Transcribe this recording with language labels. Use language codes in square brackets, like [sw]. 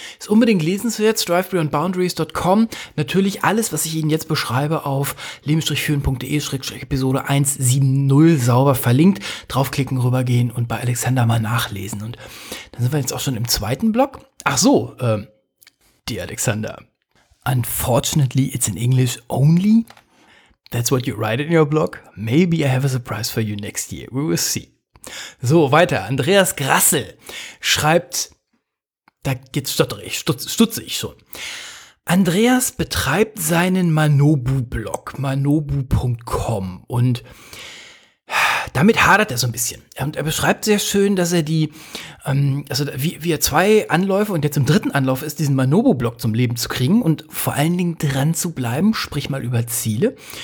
[de] Ist unbedingt lesenswert, strivebeyondboundaries.com. Natürlich alles, was ich Ihnen jetzt beschreibe, auf leben-führen.de/episode 170 sauber verlinkt. Draufklicken, rübergehen und bei Alexander mal nachlesen. Und dann sind wir jetzt auch schon im zweiten Block. [en] Ach so, dear Alexander. Unfortunately, it's in English only. That's what you write in your blog. Maybe I have a surprise for you next year. We will see. So, weiter. [de] Andreas Grassel schreibt, da jetzt stutze ich schon. Andreas betreibt seinen Manobu-Blog, manobu.com, und damit hadert er so ein bisschen. Und er beschreibt sehr schön, dass er die, also wie er zwei Anläufe und jetzt im dritten Anlauf ist, diesen Manobu-Blog zum Leben zu kriegen und vor allen Dingen dran zu bleiben, sprich mal über Ziele.